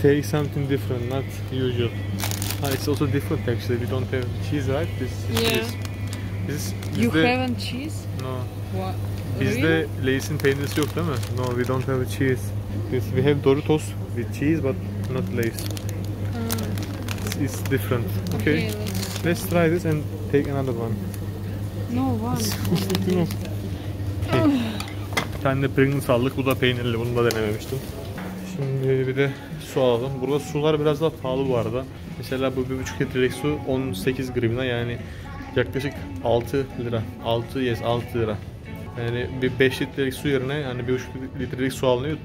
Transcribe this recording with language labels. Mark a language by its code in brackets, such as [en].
[en] Take something different, not usual. Ah, it's also different actually. We don't have cheese, right? This, yeah. This, you the... haven't cheese? No. What? [tr] Bizde Lay's'in peynirisi yok değil mi? [en] No, we don't have a cheese. This, we have Doritos with cheese but not Lay's. It's different. Okay. Let's try this and take another one. No, one. Okay. [tr] Bir tane de Pringles aldık. Bu da peynirli. Bunu da denememiştim. Şimdi bir de su alalım. Burada sular biraz daha pahalı bu arada. Mesela bu 1,5 litrelik su 18 grivna, yani yaklaşık 6 lira. 6, yes, 6 lira. Yani bir 5 litrelik su yerine yani 1,5 litrelik su alınıyor.